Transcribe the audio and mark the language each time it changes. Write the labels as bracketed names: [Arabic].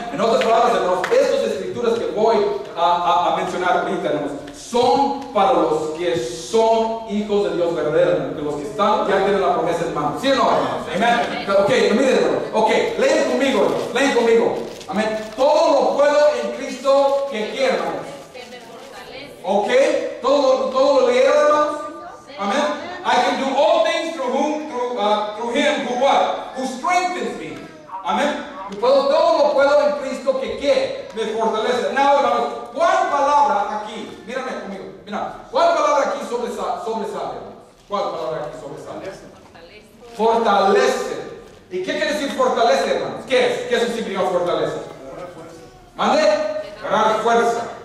[Spanish] En otras palabras, hermanos, estas escrituras que voy a mencionar ahorita, hermanos, son para los que son hijos de Dios verdadero, que los que están ya tienen la promesa, hermano. ¿Sí o no, hermanos? Amén. Ok, miren, hermano. Ok, leen conmigo. Amén. Todo lo puedo en Cristo que quiera, hermanos. Ok, todo lo leer, hermanos. Amén. [English] I can do all things through him who what? Who strengthens me. Amén. [Spanish] Todo lo puedo en Cristo que qué? Me fortalece. Now, hermanos, ¿cuál palabra aquí? Mírame conmigo. Mira, ¿cuál palabra aquí sobresale? ¿Cuál palabra aquí sobresale? Fortalece. ¿Y qué quiere decir fortalece, hermanos? ¿Qué es? ¿Qué es el significado fortalece? ¿Mande? Agarrar fuerza.